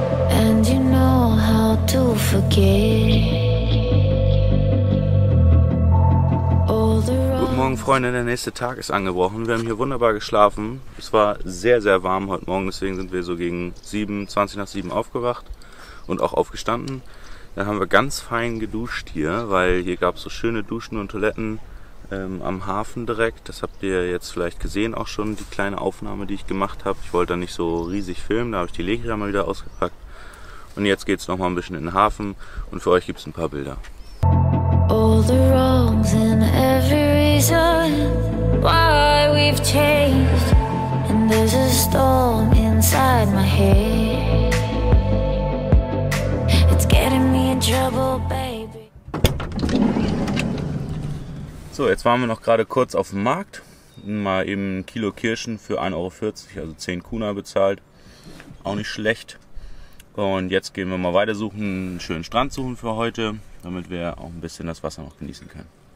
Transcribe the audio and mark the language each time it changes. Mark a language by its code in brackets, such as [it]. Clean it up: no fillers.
[en] And you know how to forget. [de] Guten Morgen Freunde, der nächste Tag ist angebrochen. Wir haben hier wunderbar geschlafen. Es war sehr, sehr warm heute Morgen, deswegen sind wir so gegen 20 nach 7 aufgewacht und auch aufgestanden. Dann haben wir ganz fein geduscht hier, weil hier gab es so schöne Duschen und Toiletten am Hafen direkt. Das habt ihr jetzt vielleicht gesehen auch schon, die kleine Aufnahme, die ich gemacht habe. Ich wollte da nicht so riesig filmen, da habe ich die Lekra mal wieder ausgepackt. Und jetzt geht es nochmal ein bisschen in den Hafen und für euch gibt es ein paar Bilder. [en] All the wrongs and every reason why we've changed. And there's a storm inside my head. It's getting me in trouble, baby. [de] So, jetzt waren wir noch gerade kurz auf dem Markt. Mal eben ein Kilo Kirschen für 1,40 Euro, also 10 Kuna bezahlt. Auch nicht schlecht. Und jetzt gehen wir mal weiter suchen, einen schönen Strand suchen für heute, damit wir auch ein bisschen das Wasser noch genießen können.